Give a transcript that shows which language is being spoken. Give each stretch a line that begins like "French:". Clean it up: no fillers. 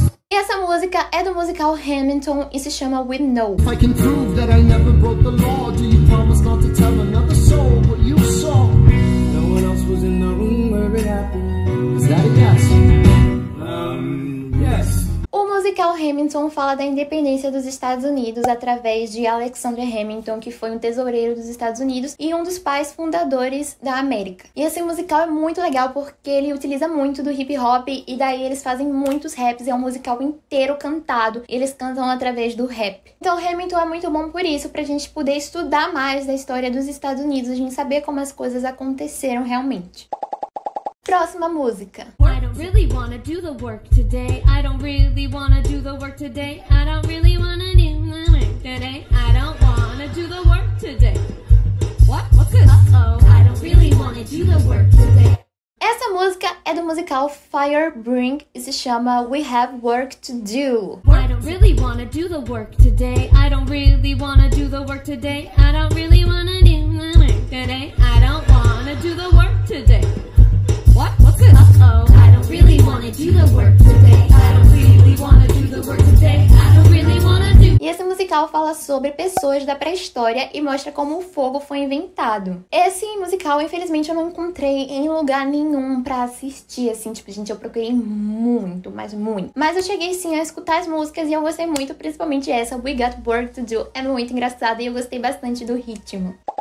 Portuguese: E essa música é do musical Hamilton e se chama We Know.
English: If I can prove that I never broke the law, do you promise not to tell another soul what you saw?
Portuguese: O musical Hamilton fala da independência dos Estados Unidos através de Alexander Hamilton, que foi um tesoureiro dos Estados Unidos e um dos pais fundadores da América. E esse musical é muito legal porque ele utiliza muito do hip hop e daí eles fazem muitos raps, é um musical inteiro cantado. Eles cantam através do rap. Então Hamilton é muito bom por isso, pra gente poder estudar mais da história dos Estados Unidos, a gente saber como as coisas aconteceram realmente. Próxima música.
English: I don't really wanna do the work today. I don't really wanna do the work today. I don't really wanna do the work today. I don't wanna do the work today. What? What's this? Uh-oh. I don't really wanna do the work today.
Portuguese: Essa música é do musical Firebring e se chama We Have Work to Do.
English: I don't really wanna do the work today. I don't really wanna do the work today. I don't really wanna do the work today. I don't wanna do the work today. What? What's this? Uh-oh. I don't really wanna do the work today. I don't really wanna do the work today. I don't really wanna do.
Portuguese: E esse musical fala sobre pessoas da pré-história e mostra como o fogo foi inventado. Esse musical, infelizmente, eu não encontrei em lugar nenhum pra assistir, assim, tipo, gente, eu procurei muito, mas muito. Mas eu cheguei, sim, a escutar as músicas e eu gostei muito, principalmente essa, We Got Work To Do, é muito engraçada e eu gostei bastante do ritmo.